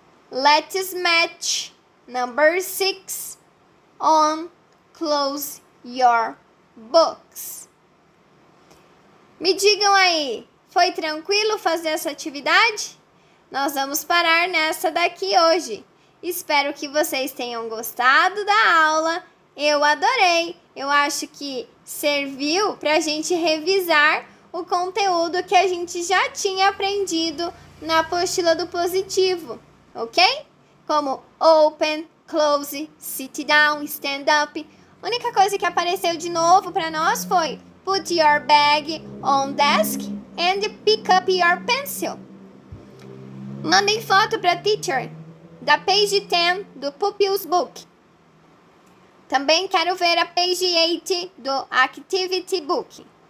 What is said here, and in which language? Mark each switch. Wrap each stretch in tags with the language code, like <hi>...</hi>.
<en>Let's match number 6 on close your books.</en> <pt>Me digam aí, foi tranquilo fazer essa atividade? Nós vamos parar nessa daqui hoje. Espero que vocês tenham gostado da aula. Eu adorei. Eu acho que serviu para a gente revisar o conteúdo que a gente já tinha aprendido na apostila do positivo, ok? Como</pt> <en>open, close, sit down, stand up.</en> <pt>A única coisa que apareceu de novo para nós foi</pt> <en>put your bag on desk and pick up your pencil.</en> <pt>Mandem foto para teacher da page 10 do Pupil's Book. Também quero ver a page 8 do Activity Book.</pt>